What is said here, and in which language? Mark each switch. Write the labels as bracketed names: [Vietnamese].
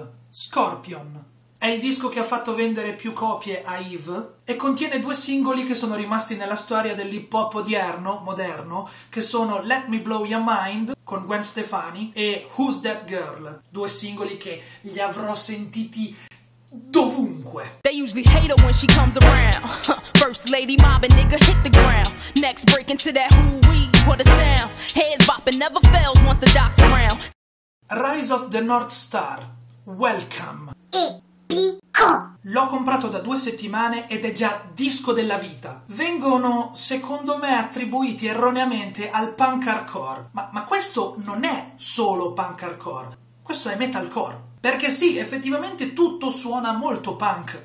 [Italian] Scorpion è il disco che ha fatto vendere più copie a Eve e contiene due singoli che sono rimasti nella storia dell'hip hop odierno, moderno, che sono Let Me Blow Your Mind con Gwen Stefani e Who's That Girl, due singoli che li avrò sentiti dovunque. [English] They usually hate her when she comes around. First lady mobbing nigga hit the ground. Next break into that who we what a sound. Heads bopping never fails once the doc's around. Rise of the North Star. Welcome. [Italian] E picco. L'ho comprato da 2 settimane ed è già disco della vita. Vengono, secondo me, attribuiti erroneamente al punk hardcore. Ma questo non è solo punk hardcore. Questo è metalcore. Perché sì, effettivamente tutto suona molto punk.